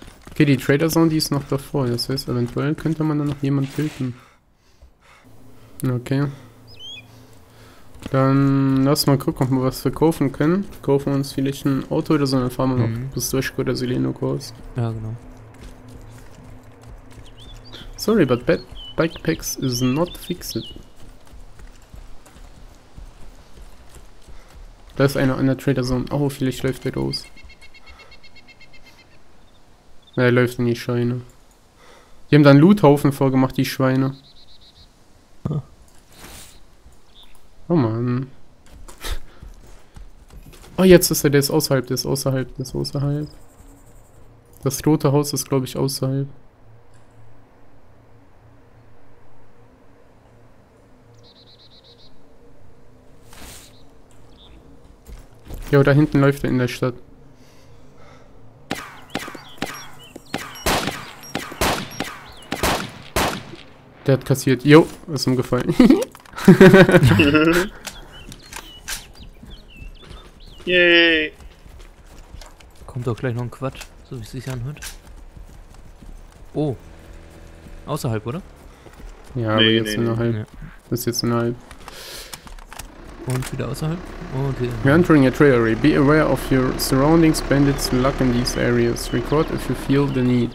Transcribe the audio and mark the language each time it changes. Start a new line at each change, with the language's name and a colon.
German: Okay, die Trader-Zone, die ist noch davor. Das heißt, eventuell könnte man da noch jemanden töten. Okay. Dann lass mal gucken, ob wir was verkaufen können. Kaufen wir uns vielleicht ein Auto oder so, dann fahren wir noch bis Dreschko oder Sileno kurz. Ja, genau.
English: Sorry, but Bikepacks is not fixed.
German: Da ist einer an der Trader-Zone. Oh, vielleicht läuft der los. Er läuft in die Scheune. Die haben da einen Loothaufen vorgemacht, die Schweine. Oh man. Oh, jetzt ist er, der ist außerhalb, der ist außerhalb, der ist außerhalb. Das rote Haus ist, glaube ich, außerhalb. Ja, da hinten läuft er in der Stadt. Der hat kassiert. Jo, ist ihm gefallen. Yay! Kommt doch gleich noch ein Quatsch, so wie es sich anhört. Oh. Außerhalb, oder? Ja, nee, aber jetzt innerhalb. Ja. Ist jetzt innerhalb. Und wieder außerhalb? Okay.
English: You're entering a trade area. Be aware of your surroundings, bandits, luck in these areas. Record if you feel the need.